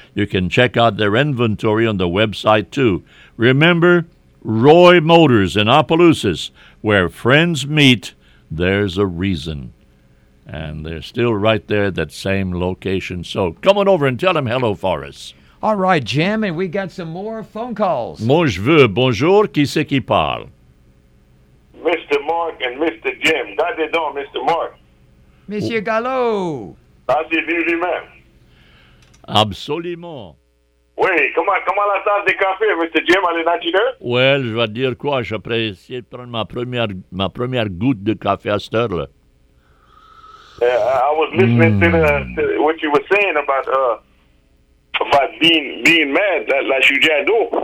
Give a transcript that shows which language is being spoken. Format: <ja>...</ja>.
<en>You can check out their inventory on the website, too. Remember, Roy Motors in Opelousas, where friends meet, there's a reason. And they're still right there at that same location. So come on over and tell them hello for us. All right, Jim, and we got some more phone calls.</en> <fr>Moi je veux, bonjour, qui c'est qui parle?</fr> <en>Mr. Mark and Mr. Jim. God bless you, Mr. Mark.</en> <fr>Monsieur Gallo.</fr> <en>God bless you, man.</en> <fr>Absolument. Oui, comment la tasse de café, Mr. Jim, elle est naturelle? Well, je vais dire quoi, j'apprécie de prendre ma première goutte de café à cette heure-là.</fr> <en>I was listening to what you were saying about being mad,</en> <fr>la chaudière d'eau.</fr>